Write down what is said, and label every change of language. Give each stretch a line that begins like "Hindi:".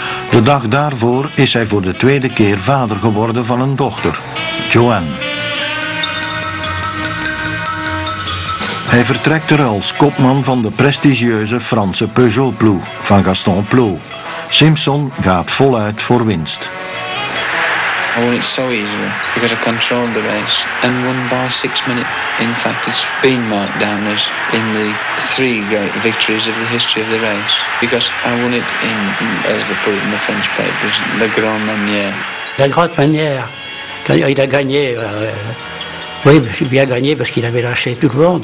Dutch: De dag daarvoor is hij voor de tweede keer vader geworden van een dochter, Joanne. Hij vertrekt er als kopman van de prestigieuze Franse Peugeot-ploeg van Gaston Plou. Simpson gaat voluit voor winst.
English: I won it so easily because I controlled the race and won by 6 minutes. In fact, it's been marked down as in the three great victories of the history of the race because I won it in, as they put it in the French papers,
French: La Grande Manière. La Grande Manière. Quand il a gagné. Oui, mais il a bien gagné parce qu'il avait lâché tout le monde.